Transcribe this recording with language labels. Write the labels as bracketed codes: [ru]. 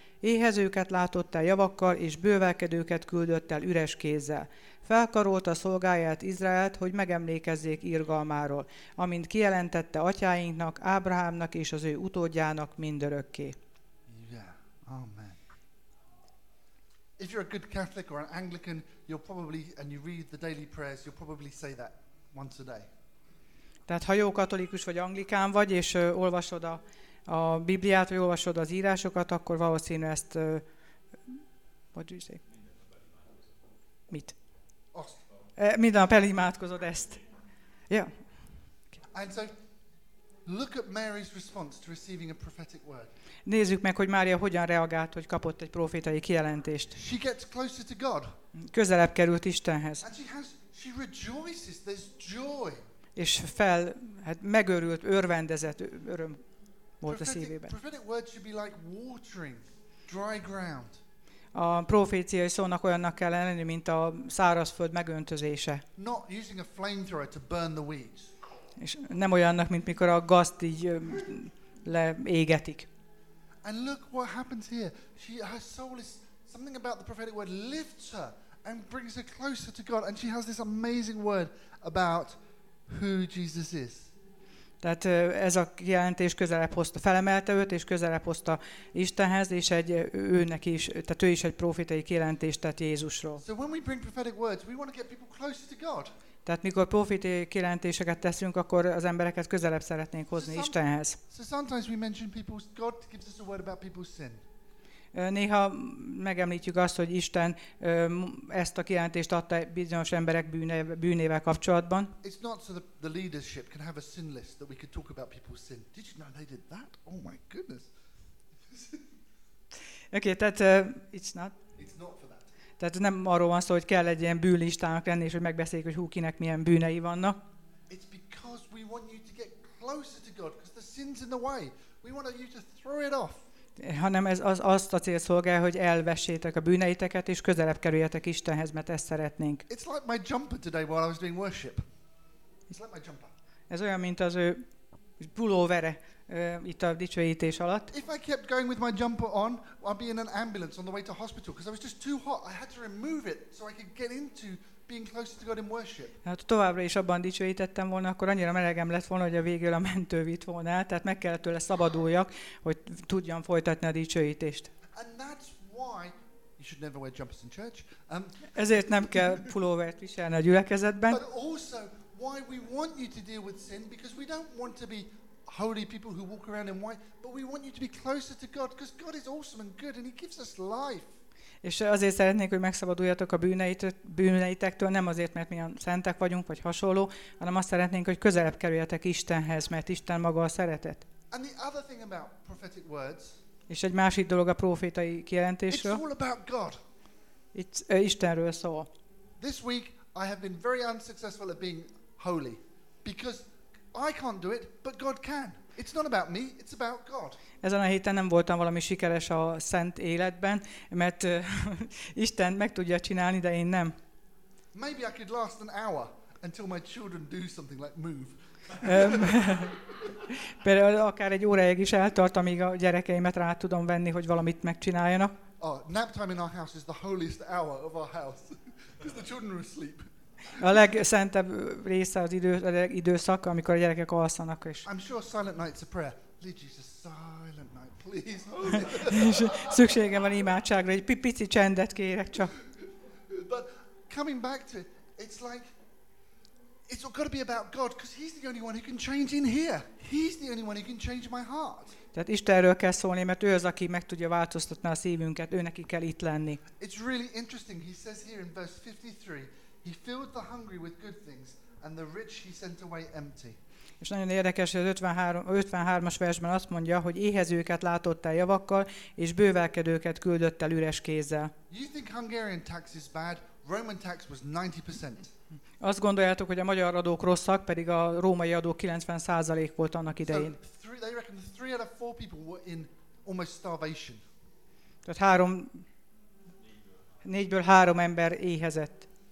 [hu] Éhezőket látott el javakkal, és bővelkedőket küldött el üres kézzel. Felkarolta szolgáját Izraelt, hogy megemlékezzék irgalmáról, amint kijelentette atyáinknak, Ábrahámnak és az ő utódjának mindörökké. [en] Yeah. Amen. If you're a good Catholic or an Anglican, you'll probably, and you read the daily prayers, you'll probably say that once a day. [hu] Tehát ha jó katolikus vagy anglikán vagy, és olvasod a Bibliát, vagy olvasod az írásokat, akkor valószínű ezt, [en] what do you say? [hu] Mit? Azt. Minden nap elimádkozod ezt. [en] Yeah. Okay. And so, look at Mary's response to receiving a prophetic word. [hu] Nézzük meg, hogy Mária hogyan reagált, hogy kapott egy prófétai kijelentést. [en] She gets closer to God. [hu] Közelebb került Istenhez. [en] And she rejoices, there's joy. [hu] És megörült, örvendezett, öröm volt a szívében. [en] Prophetic word should be like watering, dry ground. [hu] A proféciai szónak olyannak kell lenni, mint a szárazföld megöntözése. [en] Not using a flamethrower to burn the weeds. [hu] És nem olyannak, mint mikor a gazt így leégetik. [en] And look what happens here. She, her soul is something about the prophetic word lifts her and brings her closer to God. And she has this amazing word about who Jesus is. [hu] Tehát ez a jelentés közelebb hozta, felemelte őt, és közelebb hozta Istenhez, és egy őnek is, tehát ő is egy profétai kijelentést tett Jézusról. [en] So when we bring prophetic words, we want to get people closer to God. [hu] Tehát mikor profétai kijelentéseket teszünk, akkor az embereket közelebb szeretnénk hozni Istenhez. [en] So sometimes we mention people, God gives us a word about people's sin. [hu] Néha megemlítjük azt, hogy Isten ezt a kijelentést adta bizonyos emberek bűnével kapcsolatban. [en] It's not so that the leadership can have a sin list that we could talk about people's sin. Did you know they did that? Oh my goodness. Okay, tehát it's not. It's not for that. [hu] Tehát nem arról van szó, hogy kell egy ilyen bűnlistának lenni, és hogy megbeszéljük, hogy hú, kinek milyen bűnei vannak. [en] It's because we want you to get closer to God, because the sin's in the way. We want you to throw it off. [hu] Hanem ez az, azt a cél szolgál, hogy elvessétek a bűneiteket, és közelebb kerüljetek Istenhez, mert ezt szeretnénk. [en] It's like my jumper today while I was doing worship. It's like my jumper. [hu] Ez olyan, mint az ő pulóvere itt a dicsőítés alatt. [en] If I kept going with my jumper on, I'd be in an ambulance on the way to hospital, because I was just too hot. I had to remove it so I could get into being closer to God in worship. [hu] Hát továbbra is abban dicsőítettem volna, akkor annyira melegem lett volna, hogy a végül a mentő vitt volna, tehát meg kellett tőle szabaduljak, hogy tudjam folytatni a dicsőítést. [en] And that's why you should never wear jumpers in church. [hu] Ezért nem kell pulóvert viselni a gyülekezetben. [en] But also why we want you to deal with sin, because we don't want to be holy people who walk around in white, but we want you to be closer to God, because God is awesome and good, and he gives us life. [hu] És azért szeretnék, hogy megszabaduljatok a bűneitektől, nem azért, mert milyen szentek vagyunk, vagy hasonló, hanem azt szeretnénk, hogy közelebb kerüljetek Istenhez, mert Isten maga a szeretet. [en] And the other thing about prophetic words, [hu] és egy másik dolog a prófétai kijelentésről. [en] It's all about God. [hu] It's, Istenről szól. [en] This week I have been very unsuccessful at being holy, because I can't do it, but God can. It's not about me, it's about God. [hu] Ezen a héten nem voltam valami sikeres a szent életben, mert Isten meg tudja csinálni, de én nem. [en] Maybe I could last an hour until my children do something like move. [hu] Például akár egy óráig is eltart, amíg a gyerekeimet rá tudom venni, hogy valamit megcsináljanak. [en] Oh, nap time in our house is the holiest hour of our house, because the children are asleep. [hu] A legszentebb része az időszak, amikor a gyerekek alszanak is. [en] I'm sure silent night's a prayer. Lead Jesus, silent night, please. [hu] És szükségem van imádságra, egy pici csendet kérek csak. [en] But coming back to it, it's like, it's got to be about God, because he's the only one who can change in here. He's the only one who can change my heart. [hu] Tehát Istenről kell szólni, mert ő az, aki meg tudja változtatni a szívünket, ő neki kell itt lenni. [en] It's really interesting, he says here in verse 53, he filled the hungry with good things, and the rich he sent away empty. [hu] És nagyon érdekes, hogy az 53-as versben azt mondja, hogy éhezőket látott el javakkal, és bővelkedőket küldött el üres kézzel. [en] You think Hungarian tax is bad? Roman tax was 90%. [hu] Azt gondoljátok, hogy a magyar adók rosszak, pedig a római adó 90% volt annak idején. [en] So they reckon 3 out of 4 people were in almost starvation. [hu] Tehát 4-ből 3 ember éhezett.